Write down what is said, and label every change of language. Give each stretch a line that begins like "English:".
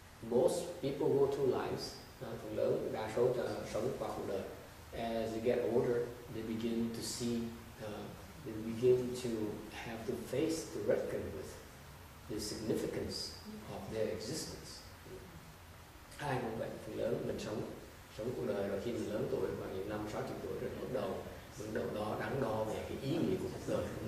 English: Most people go through lives,
Vietnamese: phần lớn đa số sống qua cuộc đời.
English: As they get older, they begin to see, they begin to have to face, to reckon with the significance of their existence.
Vietnamese: Ai cũng vậy, phần lớn mình sống cuộc đời rồi khi mình lớn tuổi, khoảng những 5-60 tuổi rồi bắt đầu đó đắn đo về cái ý nghĩa của cuộc đời.